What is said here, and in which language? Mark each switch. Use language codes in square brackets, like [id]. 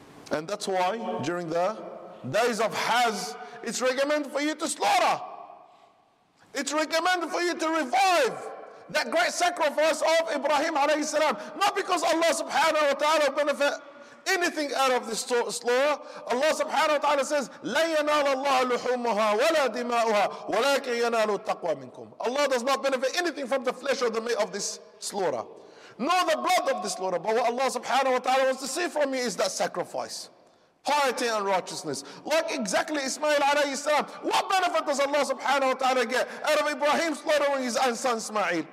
[en] And that's why during the days of Hajj, it's recommended for you to slaughter. It's recommended for you to revive that great sacrifice of Ibrahim alayhi salam. Not because Allah subhanahu wa ta'ala benefit anything out of this slaughter. [ar] Allah subhanahu wa ta'ala says, لَا يَنَالَ اللَّهُ لُحُومُهَا وَلَا دِمَاؤُهَا وَلَاكِ يَنَالُ التَّقْوَى مِنْكُمْ. [en] Allah does not benefit anything from the flesh or the meat of this slaughter, nor the blood of this slaughter. But what Allah subhanahu wa ta'ala wants to see from you is that sacrifice, piety and righteousness. Like exactly Ismail alayhi salam. What benefit does Allah subhanahu wa ta'ala get out of Ibrahim slaughtering his own son Ismail?